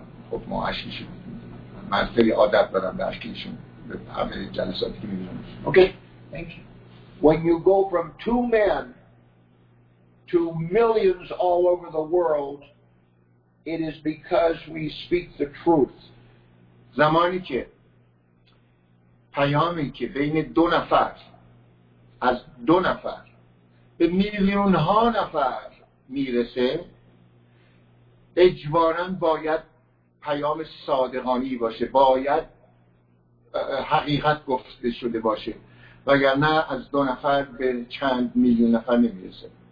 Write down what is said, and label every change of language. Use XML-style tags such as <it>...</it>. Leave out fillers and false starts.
<fa>خب ما عشقیشون من خیلی عادت دارم به عشقیشون به همه جلساتی که میبینم.</fa> <en>Okay, thank you. When you go from two men to millions all over the world, it is because we speak the truth.</en> <fa>زمانی که پیامی که بین دو نفر به میلیون ها نفر میرسه، اجباراً باید پیام صادقانی باشه، باید حقیقت گفته شده باشه، وگرنه از دو نفر به چند میلیون نفر نمیرسه.</fa>